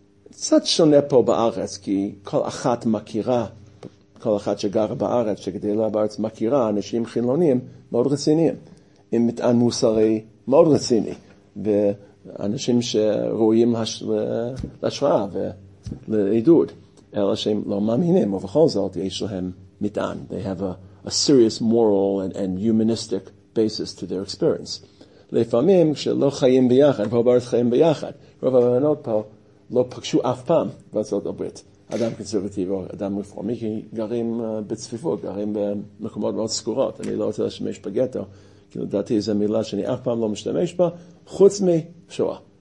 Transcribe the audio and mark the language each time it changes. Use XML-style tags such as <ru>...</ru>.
<he>קצת שונה פה בארץ, כי כל אחת מכירה, כל אחת שגרה בארץ, שגדלה בארץ, מכירה אנשים חילונים מאוד רציניים, עם מטען מוסרי מאוד רציני, ואנשים שראויים להשראה ולעידוד, אלא שהם לא מאמינים, ובכל זאת יש להם מטען.</he> <en>They have a serious moral and humanistic basis to their experience.</en> <he>לפעמים, כשלא חיים ביחד, פה בארץ חיים ביחד, רוב הבנות פה לא פגשו אף פעם בארצות הברית, אדם קונסרבטיבי או אדם רפורמי, כי גרים בצפיפות, גרים במקומות מאוד סגורות. אני לא רוצה להשתמש בגטו, כי לדעתי זו מילה שאני אף פעם לא משתמש בה, חוץ משואה.</he>